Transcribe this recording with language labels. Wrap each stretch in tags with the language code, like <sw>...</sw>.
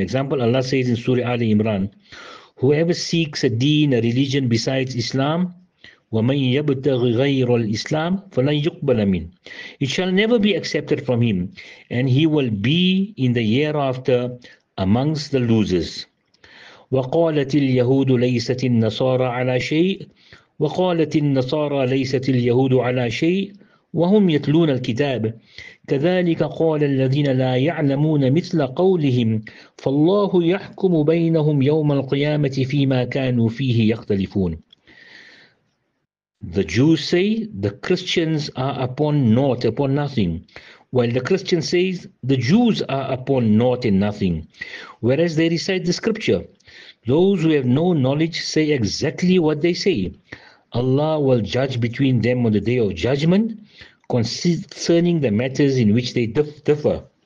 <en>Example, Allah says in Surah Ali Imran, whoever seeks a deen, a religion besides Islam,</en> <ar>وَمَنْ يَبْتَغِ غَيْرُ الْإِسْلَامِ فَلَنْ يُقْبَلَ مِنْ</ar> <en>it shall never be accepted from him, and he will be in the hereafter amongst the losers.</en> <ar>وَقَالَتِ الْيَهُودُ لَيْسَتِ النَّصَارَى عَلَى شَيْءٍ وقالت النصارى ليست اليهود على شيء وهم يتلون الكتاب كذلك قال الذين لا يعلمون مثل قولهم فالله يحكم بينهم يوم القيامة فيما كانوا فيه يختلفون.</ar> <en>The Jews say the Christians are upon naught, upon nothing, while the Christian says the Jews are upon naught and nothing, whereas they recite the scripture. Those who have no knowledge say exactly what they say. Allah will judge between them on the day of judgment concerning the matters in which they differ.</en>